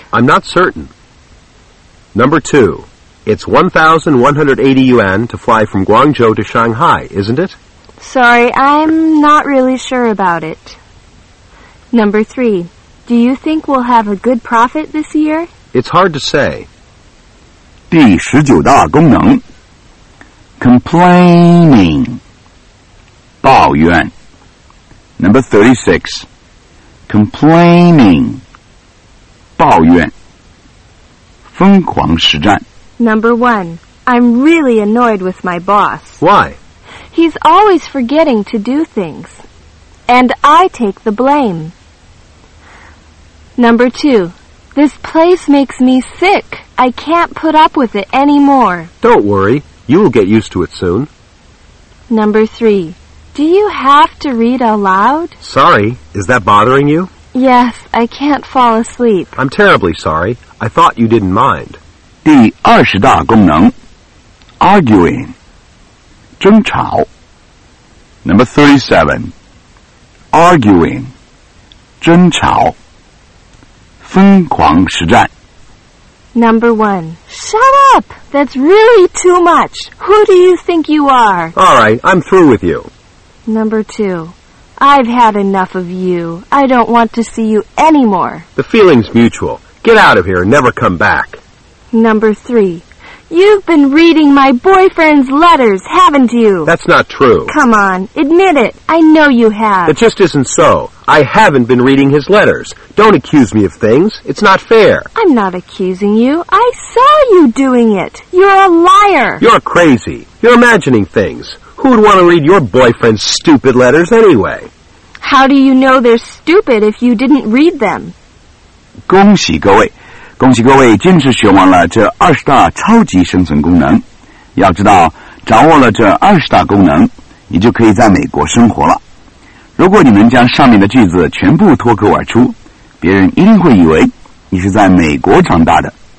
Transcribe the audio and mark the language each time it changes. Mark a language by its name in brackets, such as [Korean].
[English] I'm not certain. Number 2. It's 1,180 yuan to fly from Guangzhou to Shanghai, isn't it? Sorry, I'm not really sure about it. Number 3. Do you think we'll have a good profit this year? It's hard to say. [Chinese] 第十九大功能 Complaining 抱怨 [English] Number 36 Complaining [Chinese] 抱怨疯狂实战 [English] Number 1 I'm really annoyed with my boss. Why? He's always forgetting to do things. And I take the blame. Number 2 This place makes me sick. I can't put up with it anymore. Don't worry. You will get used to it soon. Number 3. Do you have to read aloud? Sorry. Is that bothering you? Yes. I can't fall asleep. I'm terribly sorry. I thought you didn't mind. [Chinese] 第二十大功能 Arguing 争吵 [English] Number 37. [Chinese] Arguing 争吵疯狂实战 [English] Number 1. Shut up! That's really too much! Who do you think you are? All right, I'm through with you. Number 2. I've had enough of you. I don't want to see you anymore. The feeling's mutual. Get out of here and never come back. Number 3. You've been reading my boyfriend's letters, haven't you? That's not true. Come on, admit it. I know you have. It just isn't so. I haven't been reading his letters. Don't accuse me of things. It's not fair. I'm not accusing you. I saw you doing it. You're a liar. You're crazy. You're imagining things. Who would want to read your boyfriend's stupid letters anyway? How do you know they're stupid if you didn't read them? [Chinese] 恭喜各位。恭喜各位坚持学完了这二十大超级生存功能。要知道，掌握了这二十大功能，你就可以在美国生活了。如果你们将上面的句子全部脱口而出，别人一定会以为你是在美国长大的。